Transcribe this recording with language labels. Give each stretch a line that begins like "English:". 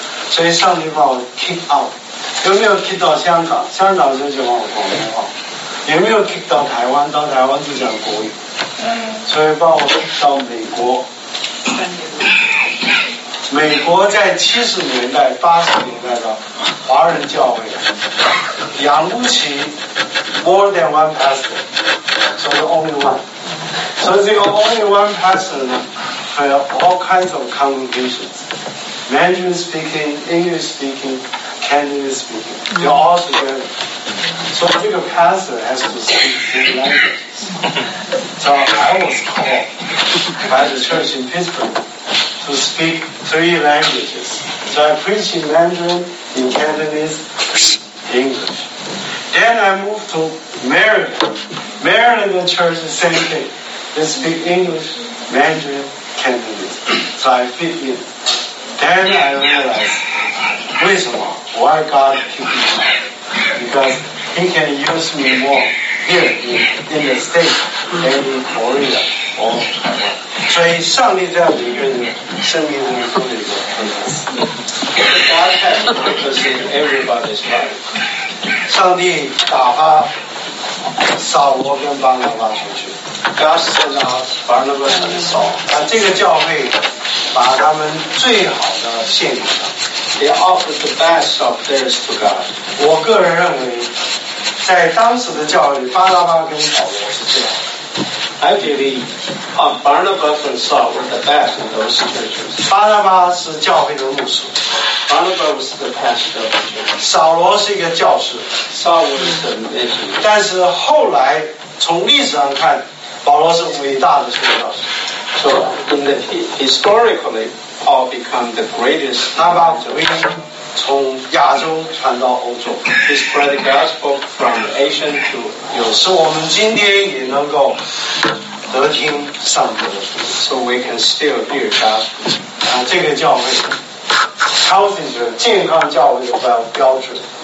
Chinese: 所以上帝把我 kick out， 有没有 kick 到香港？香港就讲广东话，有没有 kick 到台湾？到台湾就讲国语，所以把我 kick 到美国。美国在70年代、80年代的华人教会养不起
English: more than one pastor， 所以 only one，
Chinese: 所以这个
English: only one pastor
Chinese: 呢，还有
English: all kinds of congregations， Mandarin speaking， English speaking， Cantonese speaking， they're all together， 所以这个 pastor has to speak three languages。 So I was called by the church in PittsburghTo speak three languages. So I preach in Mandarin, in Cantonese, English. Then I moved to Maryland. Maryland church, the same thing. They speak English, Mandarin, Cantonese. So I fit in. Then I realized,
Chinese: 为什么?
English: Why God keep me up? Because He can use me more here in the States than in Korea or Taiwan.
Chinese: 所以上帝在每个人生命中做的一个
English: purpose in everybody's life。
Chinese: 上帝打发扫罗跟巴拿巴出去，
English: God sent out Barnabas and Saul，
Chinese: 把这个教会把他们最好的献给他，
English: They offered the best of theirs to God。
Chinese: 我个人认为在当时的教会，巴拿巴跟扫罗是最好的。
English: I believe Barnabas and Saul were the best in those churches.
Chinese: 巴拿巴是教会的牧师。
English: Barnabas was the pastor of the church.
Chinese: 扫罗是一个教士。
English: Saul was the missionary.
Chinese: 但是后来从历史上看，保罗是伟大的传道士。
English: So in the historically, Paul became the greatest.
Chinese: 他把福音从亚洲传到欧洲。
English: He spread the gospel from Asia to Europe.
Chinese: 是我们今天也能够得听上帝的福音。
English: So we can still hear God.
Chinese: 啊，这个教会 ，healthy 是健康教会的标准。